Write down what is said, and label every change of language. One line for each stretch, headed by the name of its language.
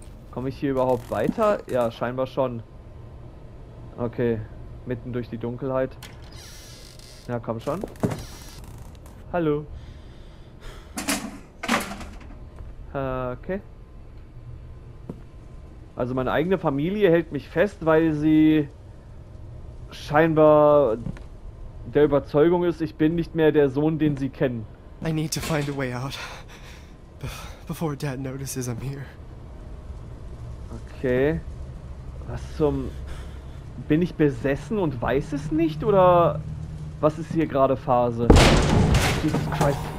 German: Komme ich hier überhaupt weiter? Ja, scheinbar schon. Okay, mitten durch die Dunkelheit. Ja, komm schon. Hallo. Okay. Also meine eigene Familie hält mich fest, weil sie scheinbar der Überzeugung ist, ich bin nicht mehr der Sohn, den sie kennen.
English: I need to find a way out before Dad notices I'm here.
German: Okay. Was zum... Bin ich besessen und weiß es nicht, oder was ist hier gerade Phase? Jesus Christ.